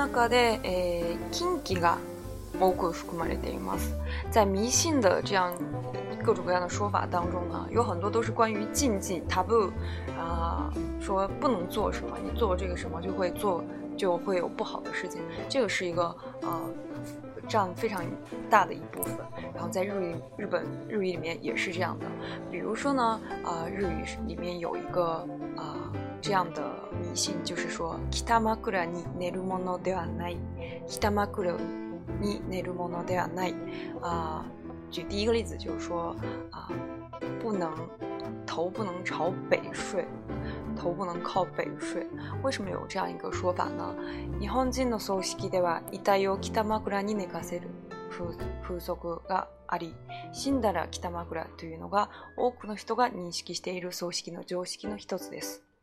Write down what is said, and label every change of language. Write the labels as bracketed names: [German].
[Japanese] で、禁忌が多く含まれています。 [Chinese] 在迷信的这样各种各样的说法当中呢，有很多都是关于禁忌 taboo， 说不能做什么，你做这个什么就会做就会有不好的事情，这个是一个占非常大的一部分。然后在日语里面也是这样的，比如说呢日语里面有一个这样的迷信，就是说 [Japanese] 北枕に寝るものではない、北枕に寝るものではない。 [Chinese] 举第一个例子，就是说不能头不能朝北睡，头不能靠北睡。为什么有这样一个说法呢？ [Japanese] 日本人の葬式では遺体を北枕に寝かせる風俗があり、死んだら北枕というのが多くの人が認識している葬式の常識の一つです。